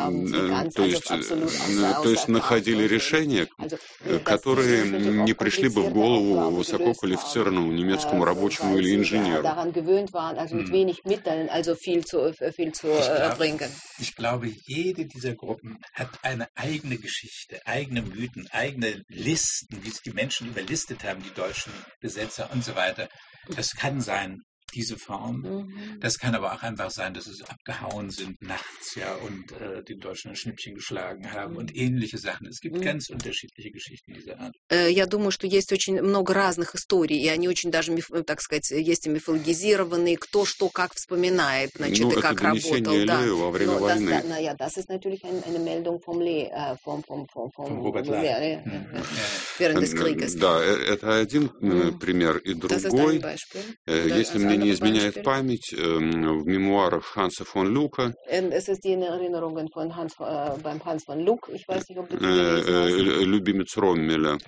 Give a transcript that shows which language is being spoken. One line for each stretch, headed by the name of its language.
Russian: То есть находили решения, которые не пришли бы в голову высококвалифицированному немецкому рабочему или инженеру.
German: Mit wenig Mitteln, also viel zu erbringen. Ich glaube, jede dieser Gruppen hat eine eigene Geschichte, eigene Mythen, eigene Listen, wie es die Menschen überlistet haben, die deutschen Besetzer und so weiter. Das kann sein, diese Form. Das kann aber auch einfach sein, dass sie abgehauen sind nachts, ja, und den Deutschen ein Schnippchen geschlagen haben und ähnliche Sachen. Es gibt ganz unterschiedliche Geschichten dieser Art.
Russian: Я думаю, что есть очень много разных историй, и они очень даже, так сказать, есть и мифологизированные, кто что как вспоминает, значит, и как работал. Ну, это донесение Лео во время войны.
German: Ну, ja, das ist natürlich eine Meldung vom Lee, vom Robert Lee. Während des Krieges.
Russian: Да, это один пример, и другой. Если мне не изменяет память, в мемуарах Ханса фон Люка «Любимец Роммеля».